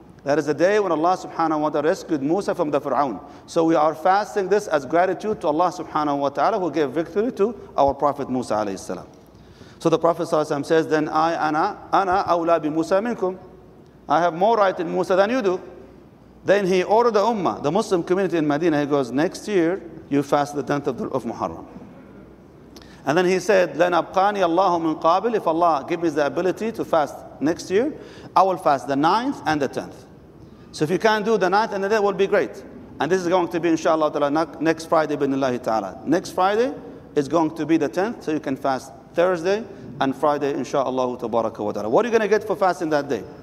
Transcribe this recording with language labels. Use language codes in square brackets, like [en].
[en] That is the day when Allah subhanahu wa ta'ala rescued Musa from the Fir'aun. So we are fasting this as gratitude to Allah subhanahu wa ta'ala who gave victory to our Prophet Musa alayhi salam. So the Prophet sallallahu alayhi wa sallam says, then I awla bi Musa minkum. I have more right in Musa than you do. Then he ordered the Ummah, the Muslim community in Medina. He goes, next year you fast the 10th of Muharram. [ar] And then he said, لَنْ أَبْقَانِيَ اللَّهُ مِنْ قَابِلِ. [en] If Allah give me the ability to fast next year, I will fast the 9th and the 10th. So if you can do the 9th and the 10th, it will be great. And this is going to be, inshallah, ta'ala, next Friday, bin Allah ta'ala. Next Friday is going to be the 10th, so you can fast Thursday and Friday, inshallah, tabaraka wa ta'ala. What are you going to get for fasting that day?